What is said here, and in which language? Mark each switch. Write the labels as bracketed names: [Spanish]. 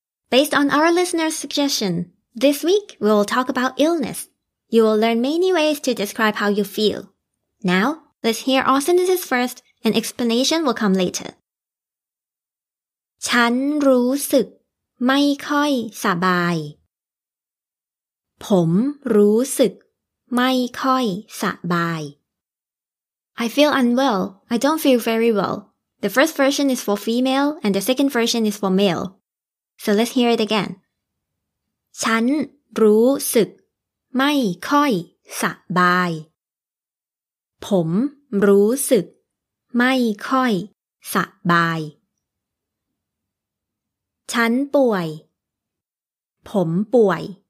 [English] Based on our listener's suggestion, this week we will talk about illness. You will learn many ways to describe how you feel. Now, let's hear all sentences first, and explanation will come later. [Thai] ฉันรู้สึกไม่ค่อยสบาย ผมรู้สึกไม่ค่อยสบาย [English] I feel unwell. I don't feel very well. The first version is for female, and the second version is for male. So let's hear it again. [Thai] ฉันรู้สึกไม่ค่อยสบาย ผมรู้สึกไม่ค่อยสบาย ฉันป่วย ผมป่วย